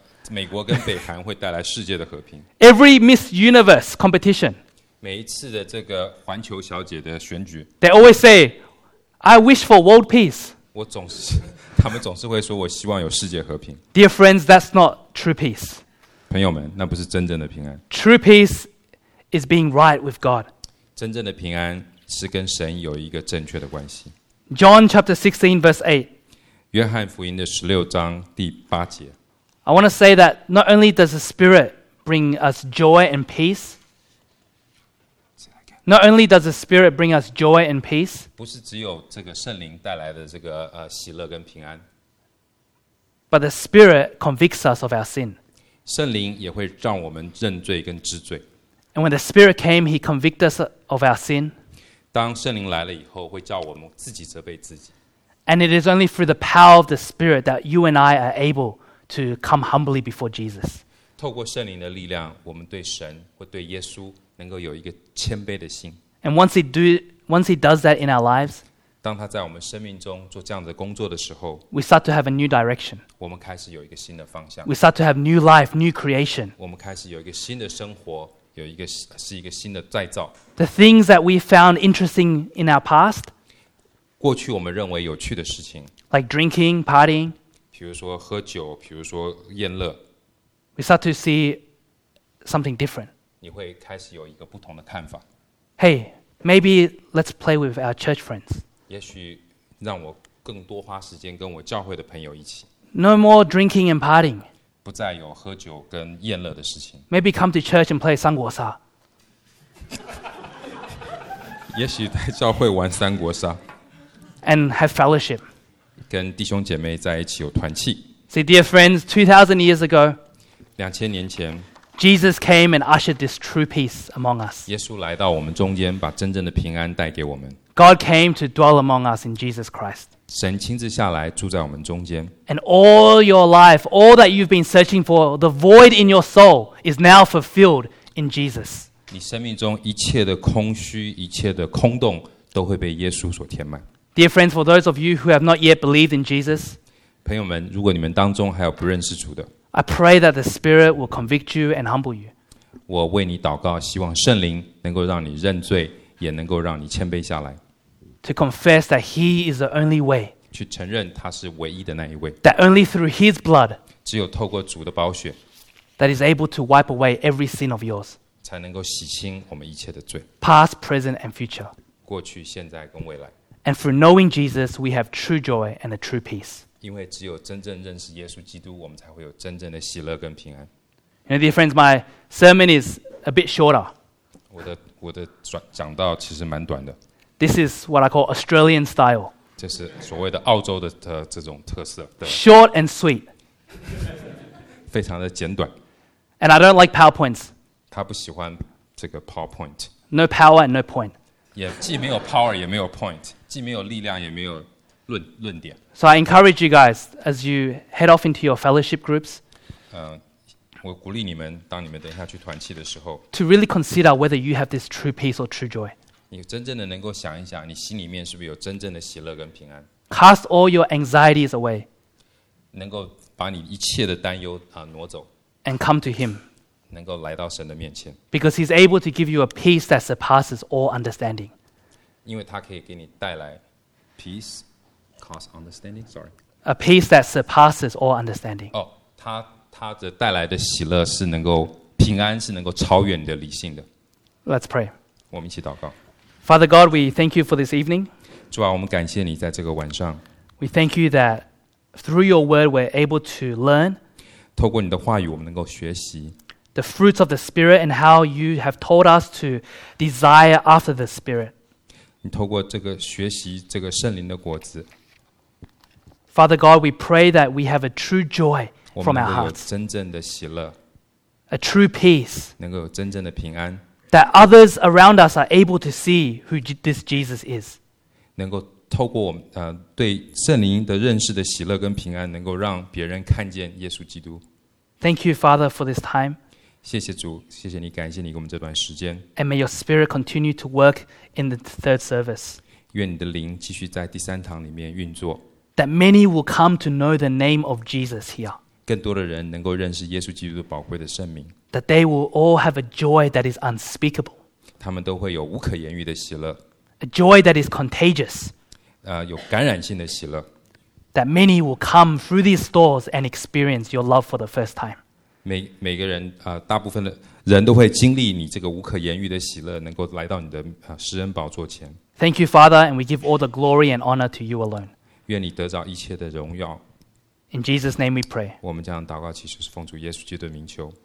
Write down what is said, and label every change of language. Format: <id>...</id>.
<zh>美国跟北韩会带来世界的和平。</zh> <en>Every Miss Universe competition.</en> <zh>每一次的这个环球小姐的选举</zh> <en>，They always say, "I wish for world peace."</en> <zh>他们总是会说我希望有世界和平。</zh> <en>Dear friends, that's not true peace.</en> <zh>朋友们，那不是真正的平安。</zh> <en>True peace is being right with God.</en> <zh>真正的平安是跟神有一个正确的关系。</zh> <en>John chapter 16 verse 8.</en> <zh>约翰福音的十六章第八节。</zh> <en>I want to say that not only does the Spirit bring us joy and peace. Not only does the Spirit bring us joy and peace,</en> <zh>不是只有这个圣灵带来的这个喜乐跟平安</zh> <en>but the Spirit convicts us of our sin.</en> <zh>圣灵也会让我们认罪跟知罪</zh> <en>And when the Spirit came, He convicted us of our sin.</en> <zh>当圣灵来了以后，会叫我们自己责备自己</zh> <en>And it is only through the power of the Spirit that you and I are able to come humbly before Jesus.</en> <zh>透过圣灵的力量，我们对神或对耶稣能够有一个谦卑的心。</zh> <en>And once he does that in our lives,</en> <zh>当他在我们生命中做这样的工作的时候</zh> <en>，we start to have a new direction.</en> <zh>我们开始有一个新的方向。</zh> <en>We start to have new life, new creation.</en> <zh>我们开始有一个新的生活，有一个是一个新的再造。</zh> <en>The things that we found interesting in our past,</en> <zh>过去我们认为有趣的事情</zh> <en>，like drinking, partying,</en> <zh>比如说喝酒，比如说宴乐</zh> <en>，we start to see something different.</en> <zh>你会开始有一个不同的看法。</zh> <en>Hey, maybe let's play with our church friends.</en> <zh>也许让我更多花时间跟我教会的朋友一起。</zh> <en>No more drinking and partying.</en> <zh>不再有喝酒跟宴乐的事情。</zh> <en>Maybe come to church and play 三国杀。</en> <zh>也许在教会玩三国杀。</zh> <en>And have fellowship.</en> <zh>跟弟兄姐妹在一起有团契。</zh> <en>See, dear friends, 2,000 years ago.</en> <zh>2,000 年前。</zh> <en>Jesus came and ushered this true peace among us.</en> <zh>耶稣来到我们中间，把真正的平安带给我们。</zh> <en>God came to dwell among us in Jesus Christ.</en> <zh>神亲自下来住在我们中间。</zh> <en>And all your life, all that you've been searching for, the void in your soul is now fulfilled in Jesus.</en> <zh>你生命中一切的空虚，一切的空洞，都会被耶稣所填满。</zh> <en>Dear friends, for those of you who have not yet believed in Jesus,</en> <zh>朋友们，如果你们当中还有不认识主的。</zh> <en>I pray that the Spirit will convict you and humble you.</en> <zh>我为你祷告，希望圣灵能够让你认罪，也能够让你谦卑下来。</zh> <en>To confess that He is the only way.</en> <zh>去承认他是唯一的那一位。</zh> <en>That only through His blood.</en> <zh>只有透过主的宝血。</zh> <en>That is able to wipe away every sin of yours.</en> <zh>才能够洗清我们一切的罪。</zh> <en>Past, present, and future.</en> <zh>过去、现在跟未来。</zh> <en>And through knowing Jesus, we have true joy and a true peace.</en> <zh>因为只有真正认识耶稣基督，我们才会有真正的喜乐跟平安。</zh> <en>And dear friends, my sermon is a bit shorter.</en> <zh>我的讲道其实蛮短的。</zh> <en>This is what I call Australian style.</en> <zh>这是所谓的澳洲的这种特色的。</zh> <en>Short and sweet.</en> <zh>非常的简短。</zh> <en>And I don't like PowerPoints.</en> <zh>他不喜欢这个 PowerPoint.</zh> <en>No power and no point.</en> <zh>也既没有 power 也没有 point， 既没有力量也没有。论点</zh> <en>So I encourage you guys as you head off into your fellowship groups.</en> <zh>我鼓励你们，当你们等一下去团契的时候</zh> <en>，to really consider whether you have this true peace or true joy.</en> <zh>你真正的能够想一想，你心里面是不是有真正的喜乐跟平安</zh> <en>？Cast all your anxieties away.</en> <zh>能够把你一切的担忧挪走</zh> <en>，and come to Him.</en> <zh>能够来到神的面前</zh> <en>，because He's able to give you a peace that surpasses all understanding.</en> <zh>因为他可以给你带来 peace.</zh> <en>Cause understanding, sorry. A peace that surpasses all understanding.</en> <zh>Oh, 他的带来的喜乐是能够平安，是能够超越你的理性的。</zh> <en>Let's pray.</en> <zh>我们一起祷告。</zh> <en>Father God, we thank you for this evening.</en> <zh>主啊，我们感谢你在这个晚上。</zh> <en>We thank you that through your word we're able to learn.</en> <zh>透过你的话语，我们能够学习。</zh> <en>The fruits of the Spirit and how you have told us to desire after the Spirit.</en> <zh>你透过这个学习这个圣灵的果子。</zh> <en>Father God, we pray that we have a true joy from our hearts.</en> <zh>真正的喜乐。</zh> <en>A true peace.</en> <zh>能够有真正的平安。</zh> <en>That others around us are able to see who this Jesus is.</en> <zh>能够透过我们对圣灵的认识的喜乐跟平安，能够让别人看见耶稣基督。</zh> <en>Thank you, Father, for this time.</en> <zh>谢谢主，谢谢你，感谢你给我们这段时间。</zh> <en>And may your Spirit continue to work in the third service.</en> <zh>愿你的灵继续在第三堂里面运作。</zh> <en>That many will come to know the name of Jesus here.</en> <zh>更多的人能够认识耶稣基督的宝贵的圣名。</zh> <en>That they will all have a joy that is unspeakable.</en> <zh>他们都会有无可言喻的喜乐。</zh> <en>A joy that is contagious.</en> <zh>有感染性的喜乐。</zh> <en>That many will come through these doors and experience your love for the first time.</en> <zh>每个人大部分的人都会经历你这个无可言喻的喜乐，能够来到你的施恩宝座前。</zh> <en>Thank you, Father, and we give all the glory and honor to you alone.</en> <zh>愿你得着一切的荣耀。</zh> <en>In Jesus' name we pray.</en> <zh>我们这样祷告，其实是奉主耶稣基督的名求。</zh>